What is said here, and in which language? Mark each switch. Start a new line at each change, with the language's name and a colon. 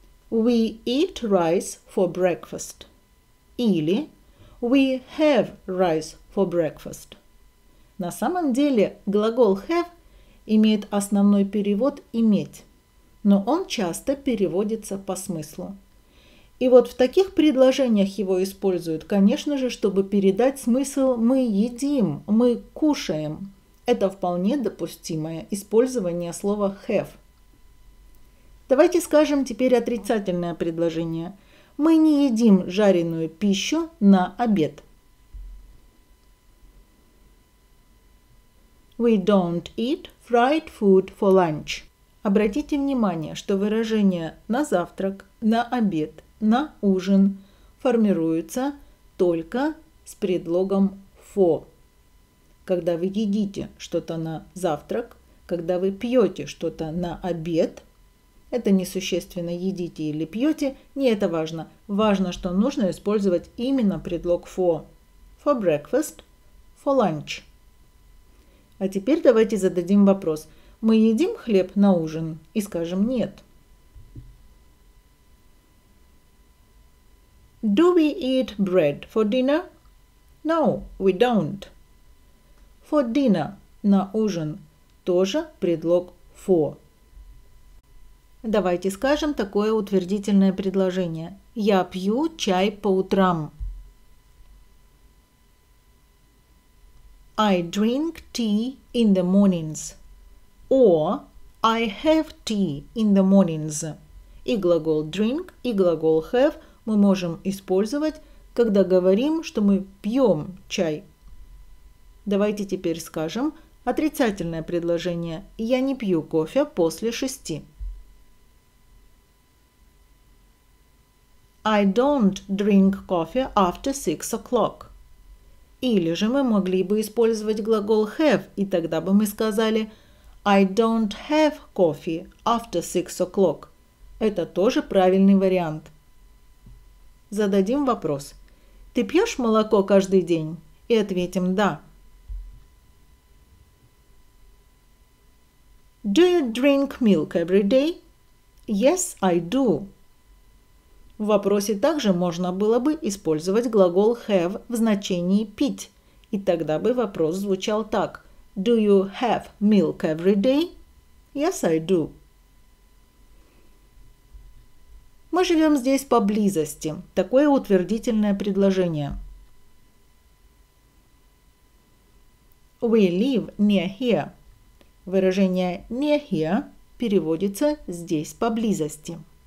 English: We eat rice for breakfast.
Russian: Или
English: we have rice for breakfast.
Russian: На самом деле глагол have имеет основной перевод иметь, но он часто переводится по смыслу. И вот в таких предложениях его используют, конечно же, чтобы передать смысл «мы едим», «мы кушаем». Это вполне допустимое использование слова «have». Давайте скажем теперь отрицательное предложение. Мы не едим жареную пищу на обед.
English: We don't eat fried food for lunch.
Russian: Обратите внимание, что выражение «на завтрак», «на обед», на ужин формируется только с предлогом for. Когда вы едите что-то на завтрак, когда вы пьете что-то на обед, это несущественно, едите или пьете, не это важно. Важно, что нужно использовать именно предлог for.
English: For breakfast, for lunch.
Russian: А теперь давайте зададим вопрос. Мы едим хлеб на ужин и скажем нет.
English: Do we eat bread for dinner? No, we don't. For dinner,
Russian: на ужин, тоже предлог for. Давайте скажем такое утвердительное предложение. Я пью чай по утрам.
English: I drink tea in the mornings. Or I have tea in the mornings.
Russian: И глагол drink, и глагол have – мы можем использовать, когда говорим, что мы пьем чай. Давайте теперь скажем отрицательное предложение. Я не пью кофе после 6.
English: I don't drink coffee after 6 o'clock.
Russian: Или же мы могли бы использовать глагол have, и тогда бы мы сказали
English: I don't have coffee after 6 o'clock.
Russian: Это тоже правильный вариант. Зададим вопрос. Ты пьешь молоко каждый день? И ответим «да».
English: Do you drink milk every day? Yes, I do.
Russian: В вопросе также можно было бы использовать глагол have в значении пить. И тогда бы вопрос звучал так.
English: Do you have milk every day? Yes, I do.
Russian: Мы живем здесь поблизости. Такое утвердительное предложение.
English: We live near here.
Russian: Выражение near here переводится здесь поблизости.